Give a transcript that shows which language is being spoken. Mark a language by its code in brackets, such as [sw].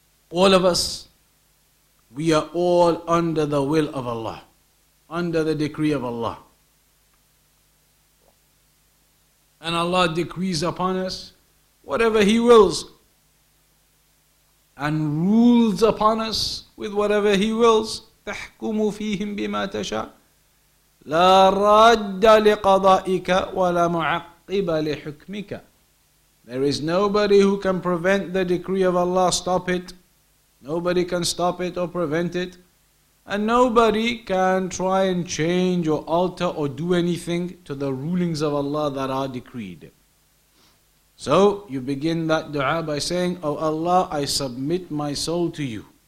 [en] All of us, we are all under the will of Allah, under the decree of Allah. And Allah decrees upon us whatever He wills, and rules upon us with whatever He wills. [ar] تحكم فيهم بما تشاء لا راد لقضائك ولا معقب لحكمك. [en] There is nobody who can prevent the decree of Allah, stop it. Nobody can stop it or prevent it. And nobody can try and change or alter or do anything to the rulings of Allah that are decreed. So you begin that dua by saying, O Allah, I submit my soul to you.